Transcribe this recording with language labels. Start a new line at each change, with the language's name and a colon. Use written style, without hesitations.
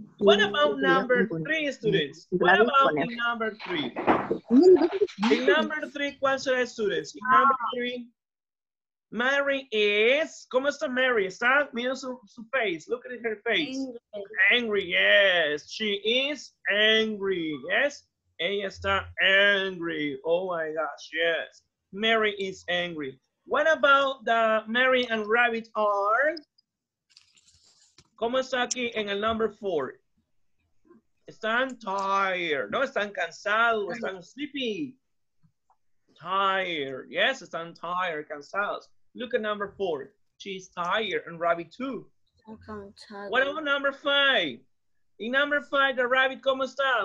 English: What about number three, students? What about in number three? In number three,
Spanish: ¿cuál será,
English: students? In number three, Mary is,
Spanish: ¿cómo está Mary? Está mirando su
English: face. Look at her face. Angry, yes. She is angry, yes.
Spanish: Ella está
English: angry. Oh my gosh, yes. Mary is angry. What about the Mary and Rabbit are?
Spanish: ¿Cómo está aquí en el number four? Están tired. No, están cansados. Están sleepy. Tired.
English: Yes,
Spanish: están
English: tired,
Spanish: cansados.
English: Look at number four. She's tired and rabbit too. I'm tired. What about number five? In number five, the rabbit,
Spanish: ¿cómo está?